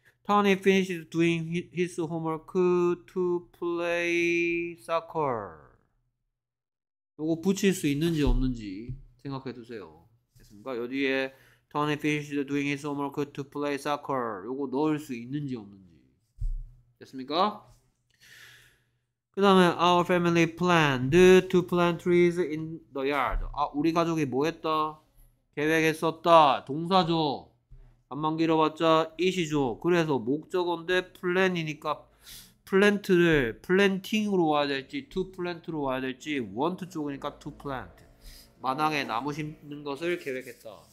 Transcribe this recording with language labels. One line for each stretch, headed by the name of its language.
English: Tony finishes doing his homework to play soccer.
Korean: 요거 붙일 수 있는지 없는지 생각해 두세요. 됐습니까? 요 뒤에
English: Tony finished doing his homework to play soccer.
Korean: 요거 넣을 수 있는지 없는지. 됐습니까? 그 다음에
English: Our family planned to plant trees in the yard.
Korean: 아, 우리 가족이 뭐 했다? 계획했었다. 동사죠. 한번 길어봤자 it이죠. 그래서 목적어인데 plan이니까 plant를 planting으로 와야 될지 to plant로 와야 될지 want 쪽이니까 to plant. 마당에 나무 심는 것을 계획했다.